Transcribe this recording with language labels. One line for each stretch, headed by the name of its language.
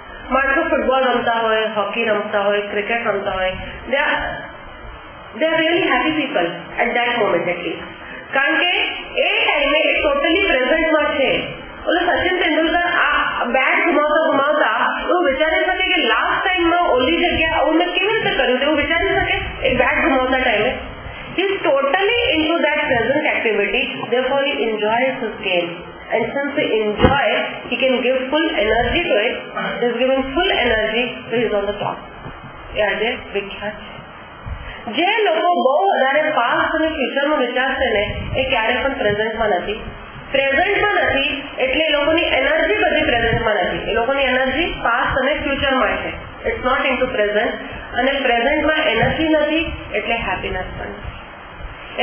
Gujarati: માણસો ફૂટબોલ રમતા હોય, હોકી રમતા હોય, ક્રિકેટ રમતા હોય,
English: They are really happy people at that moment at least.
Gujarati: કારણ કે એ ટાઈમે એ ટોટલી પ્રેઝન્ટમાં છે. ઓલો સચિન તેંડુલકર આ બેટ ઘુમાવતા ઘુમાવતા એવું વિચારી શકે કે લાસ્ટ ટાઈમમાં ઓલી જગ્યા અવું મેં કેવી રીતે કર્યું, એવું વિચારી શકે એ બેટ ઘુમાવતા ટાઈમે.
English: He is totally into that present activity, therefore he enjoys his game. And since he enjoys, he can give full energy to it. He is giving full energy, so he is on the top. Yeah, yes, big catch.
Gujarati: જે લોકો બહુ વધારે past અને ફ્યુચરમાં વિચારશે ને એ ક્યારે પણ પ્રેઝન્ટમાં નથી. પ્રેઝન્ટમાં નથી એટલે એ લોકોની એનર્જી બધી પ્રેઝન્ટમાં નથી. એ લોકોની એનર્જી પાસ્ટ અને ફ્યુચરમાં છે.
English: It's not in to present.
Gujarati: અને પ્રેઝન્ટમાં એનર્જી નથી એટલે હેપીનેસ પણ નથી.